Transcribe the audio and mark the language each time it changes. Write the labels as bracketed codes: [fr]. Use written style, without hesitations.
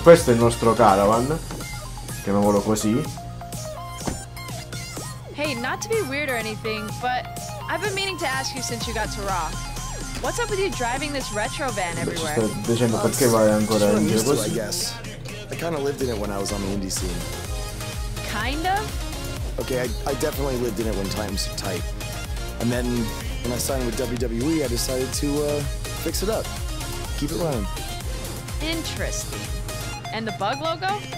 [it] Questo è il nostro caravan, chiamiamolo così. [en] Hey, not to be weird or anything, but I've been meaning to ask you since you got to Raw. What's up with you driving this retro van everywhere? [it] Sto dicendo perché vai ancora in giro così. [en] I kind of lived in it when I was on the indie scene. Kind of? Okay, I definitely lived in it when times were tight. And then when I signed with WWE, I decided to fix it up. Keep it running. Interesting. And the bug logo?